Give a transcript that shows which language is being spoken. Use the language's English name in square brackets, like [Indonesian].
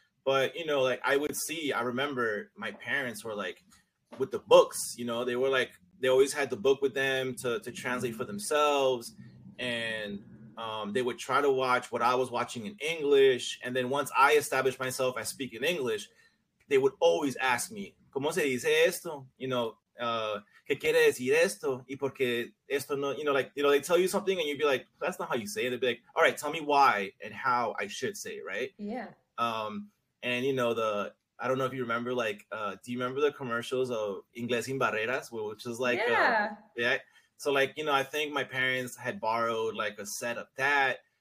[English] But you know, like I remember my parents were like with the books, you know, they were like, they always had the book with them to translate for themselves. And They would try to watch what I was watching in English. And then once I established myself as speaking English, they would always ask me, [Spanish] ¿Cómo se dice esto? [English] You know, [Spanish] ¿Qué quiere decir esto? ¿Y por qué esto no? [English] You know, like, you know, they tell you something and you'd be like, that's not how you say it. They'd be like, all right, tell me why and how I should say it, right? Yeah. And, you know, I don't know if you remember, like, do you remember the commercials of Inglés sin Barreras? Which is like, yeah. So, like, you know, I think my parents had borrowed, like, a set of that.